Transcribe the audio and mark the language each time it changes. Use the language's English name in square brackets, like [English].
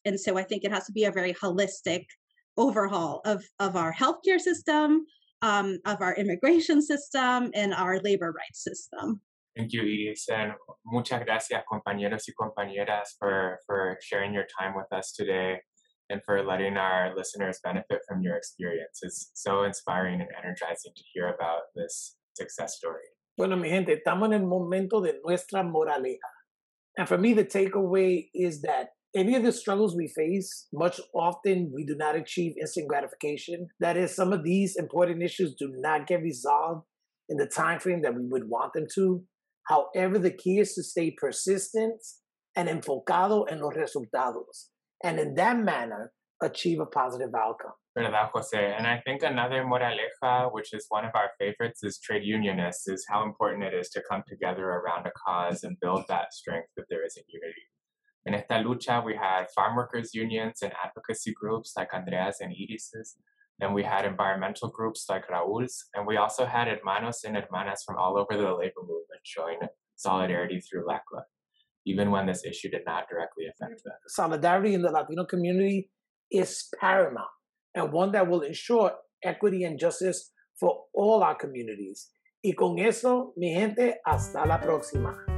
[English] And so I think it has to be a very holistic overhaul of our healthcare system, of our immigration system, and our labor rights system. Thank you, Iris, and [Spanish] muchas gracias, compañeros y compañeras, [English] for sharing your time with us today and for letting our listeners benefit from your experience. It's so inspiring and energizing to hear about this success story. [Spanish] Bueno, mi gente, estamos en el momento de nuestra moraleja. [English] And for me, the takeaway is that any of the struggles we face, much often we do not achieve instant gratification. That is, some of these important issues do not get resolved in the time frame that we would want them to. However, the key is to stay persistent and [Spanish] enfocado en los resultados, [English] and in that manner, achieve a positive outcome. [Spanish] ¿Verdad, Jose? [English] And I think another moraleja, which is one of our favorites, is trade unionists, is how important it is to come together around a cause and build that strength if there isn't unity. In [Spanish] esta lucha, [English] we had farm workers unions and advocacy groups like Andrea's and Iris's. Then we had environmental groups like Raul's, and we also had hermanos and hermanas from all over the labor movement showing solidarity through LCLAA, even when this issue did not directly affect them. Solidarity in the Latino community is paramount, and one that will ensure equity and justice for all our communities. [Spanish] Y con eso, mi gente, hasta la próxima.